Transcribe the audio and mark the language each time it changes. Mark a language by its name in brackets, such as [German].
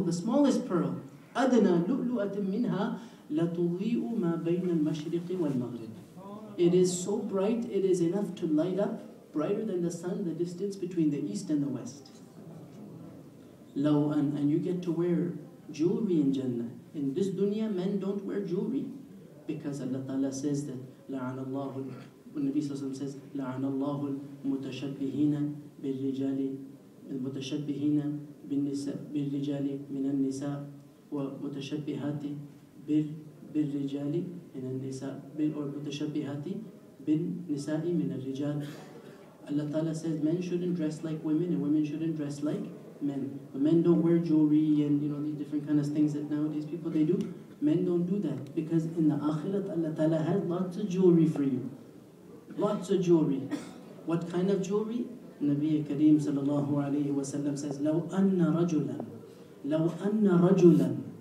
[English] The smallest pearl. [Arabic] أَدْنَى لُؤْلُؤَةٍ مِّنْهَا لَتُضِيءُ مَا بَيْنَ الْمَشْرِقِ وَالْمَغْرِبِ. [English] It is so bright, it is enough to light up, brighter than the sun, the distance between the east and the west. And you get to wear jewelry in Jannah. In this dunya, men don't wear jewelry. Because Allah Ta'ala says that, [Arabic] لَعَنَ اللَّهُ, when Nabi Sallallahu Alaihi Wasallam says, لَعَنَ اللَّهُ الْمُتَشَبِّهِينَ بِالرِّجَالِ الْمُتَشَبِّهِينَ بِالرِّجَالِ مِنَ النِّسَاءِ وَمُتَشَبِّهَاتِ بِالرِّجَالِ مِنَ النِّسَاءِ وَمُتَشَبِّهَاتِ بِالنِّسَاءِ مِنَ الرِّجَالِ. [English] Allah Ta'ala says men shouldn't dress like women and women shouldn't dress like men. But men don't wear jewelry and, you know, these different kind of things that nowadays people they do. Men don't do that because in the Akhirat Allah Ta'ala has lots of jewelry for you. Lots of jewelry. What kind of jewelry? Nabi Kareem Sallallahu Alaihi Wasallam says, [Arabic] لَوْ أَنَّ رَجُلًا لَوْ أَنَّ رَجُلًا.